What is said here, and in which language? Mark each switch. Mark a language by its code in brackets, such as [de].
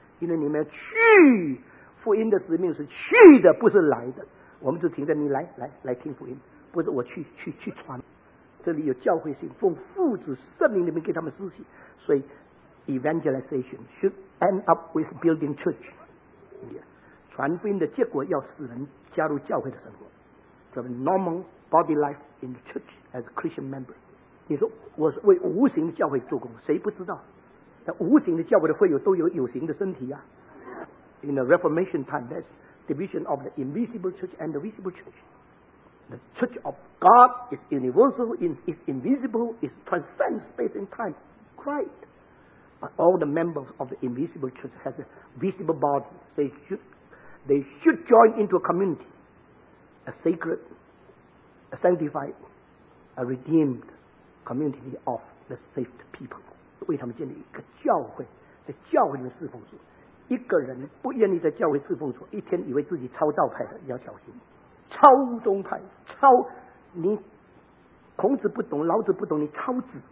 [zh] 因为你们要去，福音的使命是去的，不是来的。我们就停在你来听福音，不是我去传。这里有教会性，奉父子圣灵里面给他们施洗，所以 [en] evangelization should end up with building church。 [zh] 传福音的结果要使人加入教会的生活，这个 [en] normal body life in the church as a Christian member。 [zh] 你说我是为无形的教会做工，谁不知道？那无形的教会的会友都有有形的身体呀、啊。 [en] In the Reformation time, that's division of the invisible church and the visible church. The church of God is universal, is invisible, is transcend space and time. Christ. But all the members of the invisible church have a visible body. They should join into a community, a sacred, a sanctified, a redeemed community of the saved people. [zh] 为他们建立一个教会，在教会里面侍奉主。一个人不愿意在教会侍奉主，一天以为自己超道派的，要小心。超宗派，超你，孔子不懂，老子不懂，你超子。